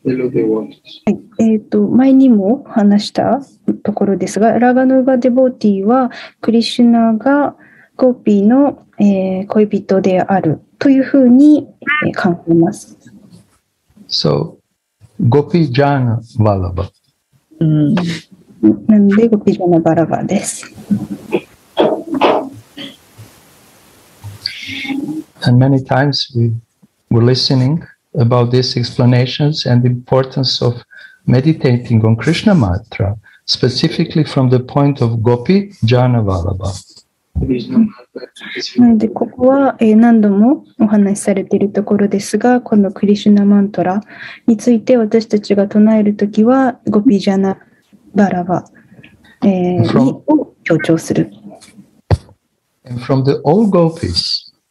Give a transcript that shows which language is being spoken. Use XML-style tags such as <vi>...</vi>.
<ja>前にも話したところですが、ラガヌーガデボーティーはクリシュナがゴーピーの、恋人であるというふうに、考えます。</ja> <en>So, ゴピジャナバラバ。</en> <ja>なんでゴピジャナバラバです。</ja> <en>And many times we were listeningAbout these explanations and the importance of meditating on Krishna mantra, specifically from the point of Gopi Jana Vallabha.</en> <ja>なのでここは何度もお話しされているところですが、このクリシュナマントラについて私たちが唱えるときはゴピジャナバラバを強調する。</ja> <en>And from the old Gopis.</en>